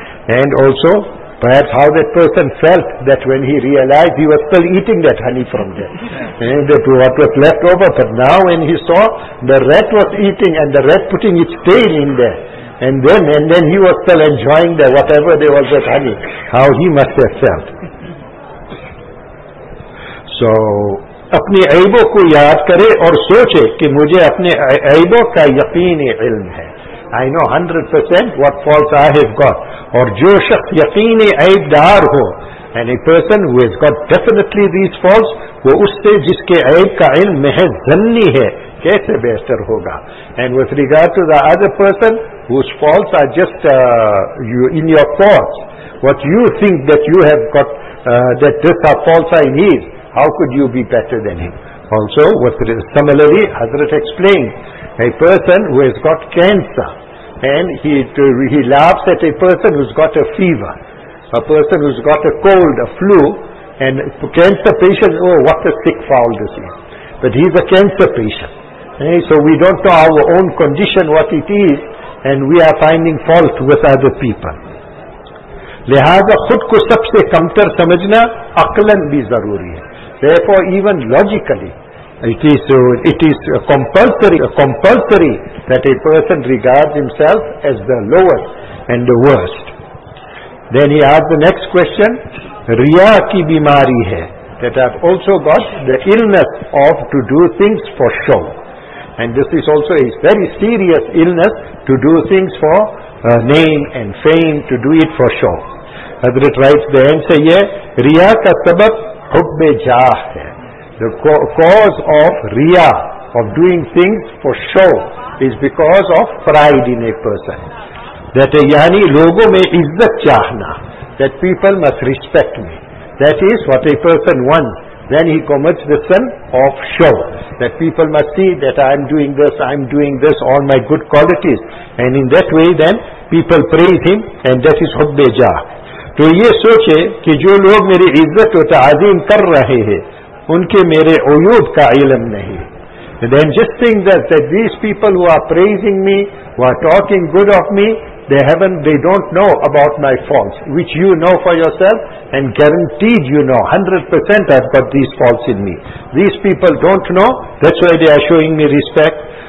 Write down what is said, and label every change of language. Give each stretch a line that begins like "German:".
English: And also, perhaps how that person felt that when he realized he was still eating that honey from there. And what was left over, but now when he saw the rat was eating and the rat putting its tail in there, and then he was still enjoying the whatever there was with honey, how he must have felt.
Urdu: So, اپنی عیبوں کو یاد کرے اور سوچے کہ مجھے اپنے عیبوں کا یقین علم ہے.
English: I know 100% what faults I have got.
Urdu: اور جو شخص یقین عیب دار ہو,
English: and a person who has got definitely these faults,
Urdu: وہ اس سے جس کے عیب کا علم محض ظنی ہے کیسے بہتر ہوگا.
English: And with regard to the other person whose faults are just in your thoughts, what you think that you have got, that these are faults I need, how could you be better than him? Also, similarly, Hazrat explained, a person who has got cancer, and he laughs at a person who's got a fever, a person who's got a cold, a flu, and cancer patient, oh, what a sick fowl this is. But he's a cancer patient. Okay? So we don't know our own condition, what it is, and we are finding fault with other people.
Urdu: لہذا خود کو سب سے کمتر سمجھنا عقلاً بھی ضروری ہے.
English: Therefore, even logically, it is compulsory that a person regards himself as the lowest and the worst. Then he asked the next question,
Urdu: Riya ki bimari hai,
English: that I've also got the illness of to do things for show. And this is also a very serious illness, to do things for name and fame, to do it for show. Hazrat writes the answer here,
Urdu: Riya ka sabab, حُبِ جَاہ ہے.
English: The cause of riya, of doing things for show, is because of pride in a person. That
Urdu: yani logo mein izzat chahna,
English: that people must respect me. That is what a person wants. Then he commits the sin of show. That people must see that I am doing this, all my good qualities. And in that way then, people praise him, and that is حُبِ جَاہ.
Urdu: تو یہ سوچے کہ جو لوگ میری عزت و تعظیم کر رہے ہیں ان کے میرے عیوب کا علم نہیں.
English: Then just think that these people who are praising me, who are talking good of me, they don't know about my faults, which you know for yourself, and guaranteed you know 100% I've got these faults in me. These people don't know, that's why they are showing me respect.